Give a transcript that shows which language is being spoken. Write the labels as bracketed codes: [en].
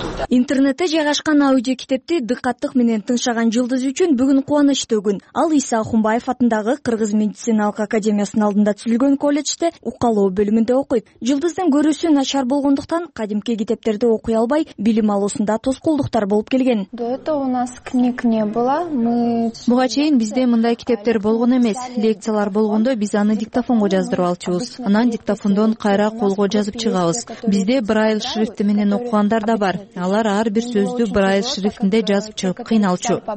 [ky] Интернетте жайгашкан аудио китепти дыкаттык менен тыңшаган жылдыз үчүн бүгүн кубанычтуу күн. Ал Иса Ахунбаев атындагы Кыргыз медициналык академиясынын алдында түзүлгөн колледжде укалоо бөлүмүндө окуйт. Жылдыздын көрүүсү начар болгондуктан кадимки китептерди окуй албай билим алуусунда тоскоолдуктар болуп келген. [ru] До этого у нас книг не было. [ky] Буга чейин бизде мындай китептер болгон эмес. Лекциялар болгондо биз аны диктофонго жаздырып алчубуз. Анан диктофондон кайра колго жазып чыгабыз. Бизде Брайль шрифти менен окугандар да бар. Алар ар бир сөздү Брайль шрифтинде жазып чыгып кыйналчу.